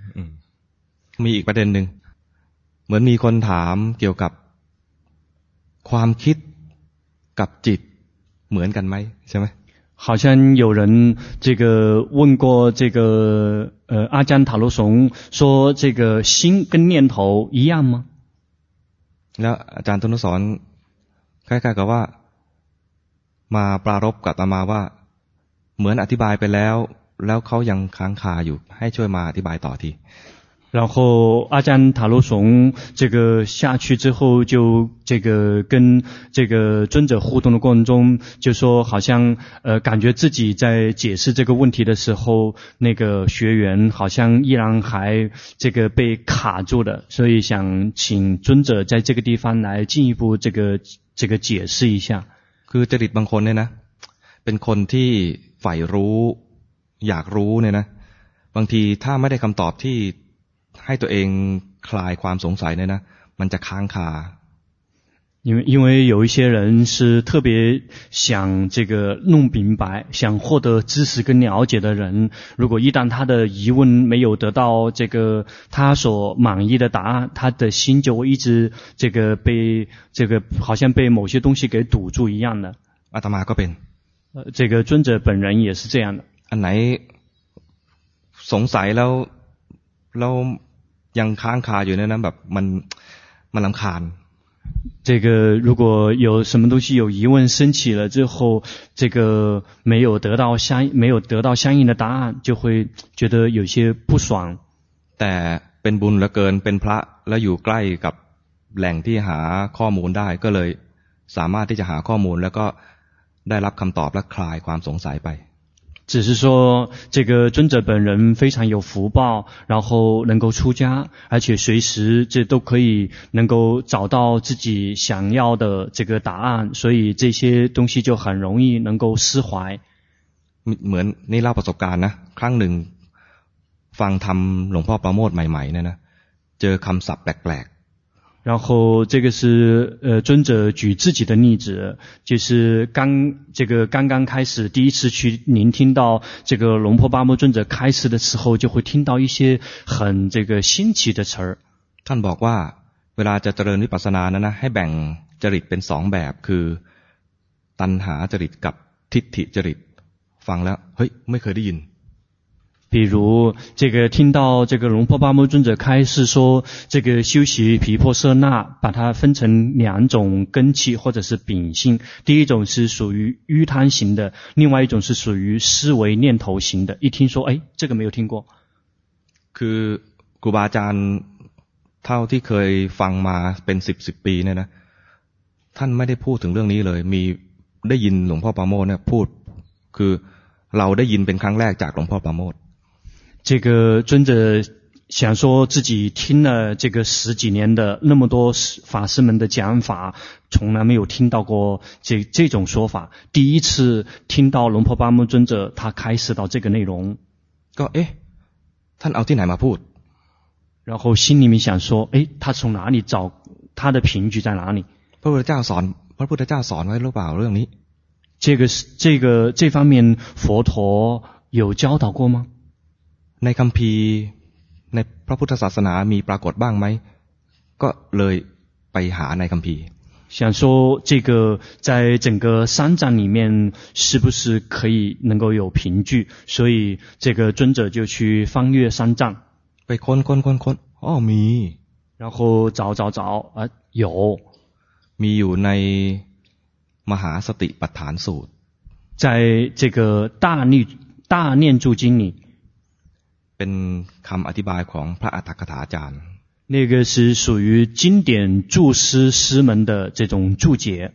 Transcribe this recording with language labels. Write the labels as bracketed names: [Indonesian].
[Thai] 嗯，มีอีกประเด็นหนึ่ง เหมือนมีคนถามเกี่ยวกับความคิดกับจิตเหมือนกันไหมใช่ไหม [Chinese] 好像有人这个问过这个阿姜塔罗松说这个心跟念头一样吗 [Thai] แล้วอาจารย์ทนุสรใกล้ๆกับว่ามาปรารภกับอาตมาว่าเหมือนอธิบายไปแล้วแล้วเขายังค้างคาอยู่ให้ช่วยมาอธิบายต่อที [Chinese] 然后阿姜塔罗松这个下去之后就这个跟这个尊者互动的过程中就说好像感觉自己在解释这个问题的时候那个学员好像依然还这个被卡住的所以想请尊者在这个地方来进一步这个解释一下 [Thai] คือจริตบางคนเนี่ยนะเป็นคนที่ใฝ่รู้อยากรู้เนี่ยนะบางทีถ้าไม่ได้คำตอบที่ให้ตัวเองคลายความสงสัยเนี่ยนะมันจะค้างคา [Chinese] 因为有一些人是特别想这个弄明白想获得知识跟了解的人如果一旦他的疑问没有得到这个他所满意的答案他的心就一直这个被这个好像被某些东西给堵住一样的 [Thai] อาตมาก็เป็น [Chinese] 这个尊者本人也是这样的 [Thai] อันไหนสงสัยแล้วเรายังค้างคาอยู่ในนั้นแบบมันรำคาญ [Chinese] 这个如果有什么东西有疑问升起了之后这个没有得到相应的答案就会觉得有些不爽 [Thai] แต่เป็นบุญเหลือเกินเป็นพระแล้วอยู่ใกล้กับแหล่งที่หาข้อมูลได้ก็เลยสามารถที่จะหาข้อมูลแล้วก็ได้รับคำตอบและคลายความสงสัยไป [Chinese] 只是说这个尊者本人非常有福报然后能够出家而且随时这都可以能够找到自己想要的这个答案所以这些东西就很容易能够释怀 [Thai] เหมือนนี่เล่าประสบการณ์นะครั้งหนึ่งฟังธรรมหลวงพ่อประโมทใหม่ๆเนี่ยนะเจอคำศัพท์แปลกๆ [Chinese] 然后这个是尊者举自己的例子就是刚刚开始第一次去聆听到这个龙婆巴木尊者开始的时候就会听到一些很这个新奇的词儿 [Thai] ท่านบอกว่าเวลาจะเจริญวิปัสสนานะนะให้แบ่งจริตเป็น2แบบคือตัณหาจริตกับทิฏฐิจริตฟังแล้วเฮ้ยไม่เคยได้ยิน [Chinese] 比如这个听到这个龙婆巴木尊者开示说这个修习毗婆舍那把它分成两种根器或者是秉性第一种是属于瘀贪型的另外一种是属于思维念头型的一听说哎这个没有听过 [Thai] คือครูบาอาจารย์เท่าที่เคยฟังมาเป็น10ปีเนี่ยนะท่านไม่ได้พูดถึงเรื่องนี้เลยมีได้ยินหลวงพ่อปาโมทเนี่ยพูดคือเราได้ยินเป็นครั้งแรกจากหลวงพ่อปาโมท [Chinese] 这个尊者想说自己听了这个十几年的那么多法师们的讲法从来没有听到过 这种说法第一次听到龙婆巴木尊者他开始到这个内容说诶他拿到哪里来说然后心里面想说诶他从哪里找他的凭据在哪里 [Thai] พระพุทธเจ้าสอนไว้หรือเปล่าเรื่องนี้ [Chinese] 这方面佛陀有教导过吗 [Thai] ในคัมภีร์ในพระพุทธศาสนามีปรากฏบ้างไหมก็เลยไปหาในคัมภีร์ [Chinese] 想说这个在整个三藏里面是不是可以能够有凭据所以这个尊者就去翻阅三藏 [Thai] ไปค้นอ้อมี [Chinese] 然后找有 [Thai] มีอยู่ในมหาสติปัฏฐานสูตร [Chinese] 在这个大念住经里 [Thai] เป็นคำอธิบายของพระอัฏฐกถาจารย์ [Chinese] 那个是属于经典注师师门的这种注解